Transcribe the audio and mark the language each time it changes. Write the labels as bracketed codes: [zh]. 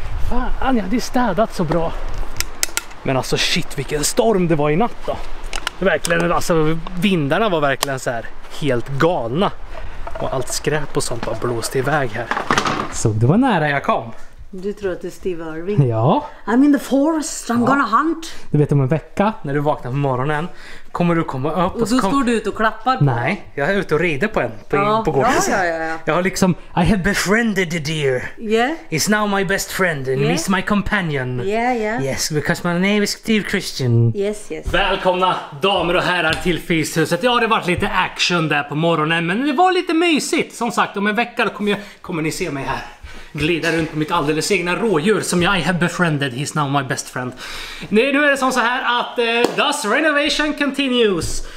[sv] Fan, jag hade städat så bra. Men alltså shit, vilken storm det var i natt då. Verkligen, alltså vindarna var verkligen så här helt galna. Och allt skräp och sånt bara blåste iväg här. Så det var nära jag kom. Du tror att det är Steve Irwin? Ja. [en] I'm in the forest, I'm gonna hunt. [sv] Du vet om en vecka, när du vaknar på morgonen, kommer du komma upp. Och så står du ute och klappar på. Nej, jag är ute och rider på en på gården. Ja. Jag har liksom, [en] I have befriended the deer. Yeah. It's now my best friend and he's my companion. Yeah, yeah. Yes, because my name is Steve Christian. Yes, yes. [sv] Välkomna damer och herrar till Fishuset. Ja, det har varit lite action där på morgonen, men det var lite mysigt. Som sagt, om en vecka då kommer ni se mig här. Glida runt på mitt alldeles egna rådjur som jag [en] have befriended, he's now my best friend. [sv] Nej, nu är det som så här att [en] thus renovation continues.